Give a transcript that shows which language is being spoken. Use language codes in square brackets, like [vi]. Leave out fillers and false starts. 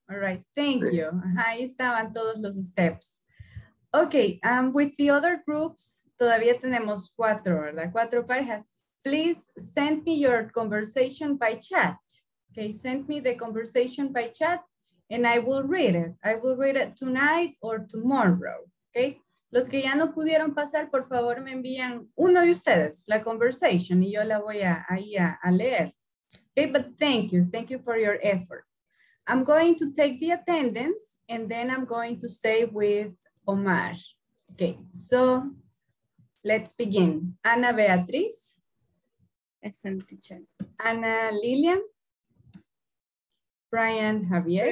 [en] All right, thank you. [es] Ahí estaban todos los steps. Okay, [en] with the other groups, [es] todavía tenemos cuatro, ¿verdad? Cuatro parejas. [en] Please send me your conversation by chat. Okay, send me the conversation by chat and I will read it. I will read it tonight or tomorrow, okay? [es] Los que ya no pudieron pasar, por favor, me envían uno de ustedes, la conversation, y yo la voy a leer. [en] Okay, but thank you. Thank you for your effort. I'm going to take the attendance and then I'm going to stay with Omar. Okay, so let's begin. Ana Beatriz. Present, teacher. Ana Lilian. Brian Javier.